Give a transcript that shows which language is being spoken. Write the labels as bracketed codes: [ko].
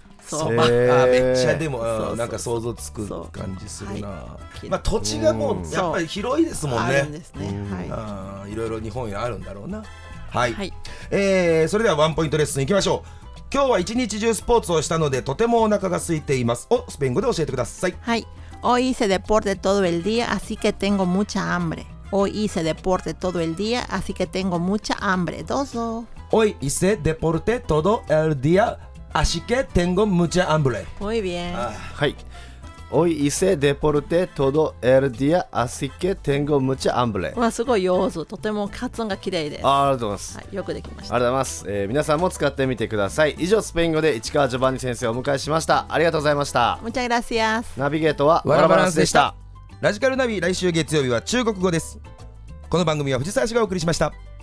[ja] めっちゃでもなんか想像つく感じするな。はい、まあ、土地がもうやっぱり広いですもんね。いろいろ日本にあるんだろうな。はい、はい、それではワンポイントレッスンいきましょう。今日は一日中スポーツをしたのでとてもお腹が空いています。スペイン語で教えてください。はい、 [es] Hoy hice deporte todo el día así que tengo mucha hambre. Hoy hice deporte todo el día así que tengo mucha hambre. [ja] どうぞ。 [es] Hoy hice deporte todo el día así que tengo mucha hambre. Muy bien. [ja] はい、 [es] Hoy hice deporte todo el día así que tengo mucha hambre. [ja] わ、すごい上手。とても発音が綺麗です。ありがとうございます、はい、よくできました。ありがとうございます、皆さんも使ってみてください。以上、スペイン語で市川ジョバンニ先生をお迎えしました。ありがとうございました。 [es] Muchas gracias. [ja] ナビゲートはワラバランスでした。ラジカルナビ、来週月曜日は中国語です。この番組は藤沢市がお送りしました。